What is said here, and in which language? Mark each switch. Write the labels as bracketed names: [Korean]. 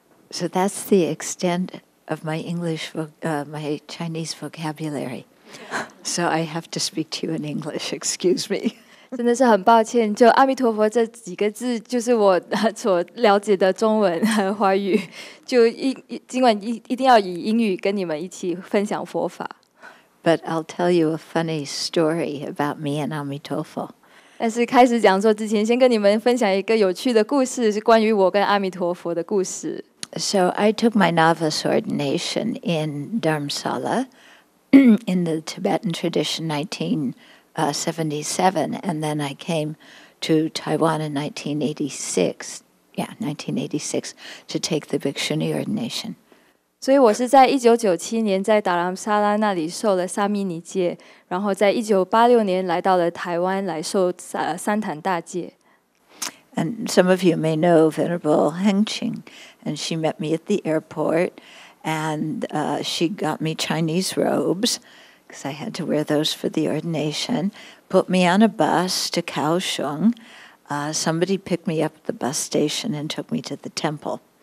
[English] So that's the extent of my English, my Chinese vocabulary. So I have to speak to you in English. Excuse me. [Chinese] 真的是很抱歉，就阿弥陀佛这几个字，就是我所了解的中文和华语。就今晚一定要以英语跟你们一起分享佛法。 [English] But I'll tell you a funny story about me and Amitofo. [Chinese] 但是开始讲座之前，先跟你们分享一个有趣的故事，是关于我跟阿弥陀佛的故事。 [English] So I took my novice ordination in Dharamsala in the Tibetan tradition 1977, and then I came to Taiwan in 1986 to take the Bhikshuni ordination. [Chinese] 所以我是在1997年在达兰萨拉那里受了沙弥尼戒，然后在1986年来到了台湾来受三坛大戒。 [English] And some of you may know Venerable Heng Ching, and she met me at the airport, and she got me Chinese robes, because I had to wear those for the ordination, put me on a bus to Kaohsiung. Somebody picked me up at the bus station and took me to the temple.